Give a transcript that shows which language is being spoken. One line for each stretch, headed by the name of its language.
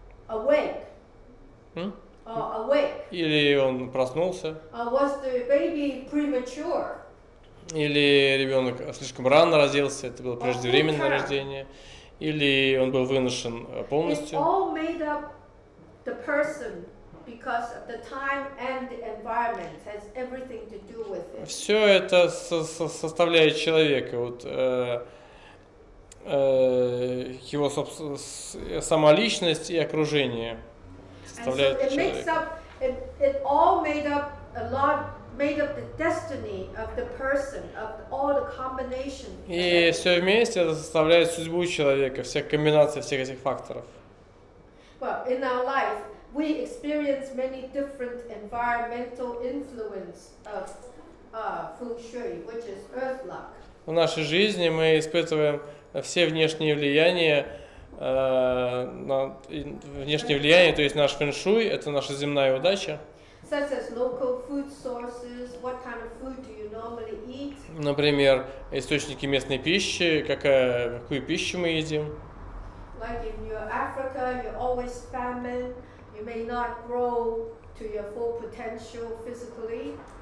English: Awake. Awake.
Russian: Или он проснулся?
English: Was the baby premature?
Russian: Или ребенок слишком рано родился, это было преждевременное рождение? Или он был выношен полностью?
English: It all made up the person. Because of the time and the environment has everything to do with it.
Russian: Все это составляет человека, вот его сама личность и окружение составляют человека.
English: And so it all made up a lot, made up the destiny of the person, of all the combination.
Russian: И все вместе это составляет судьбу человека, все комбинации всех этих факторов.
English: Well, in our life. We experience many different environmental influence of фэн-шуй, which is earth luck.
Russian: В нашей жизни мы испытываем все внешние влияния, внешние влияния, то есть наш фэн-шуй, это наша земная удача.
English: Such as local food sources, what kind of food do you normally eat?
Russian: Например, источники местной пищи, какую пищу мы едим?
English: Like in your Africa, you're always famine. You may not grow to your full potential physically.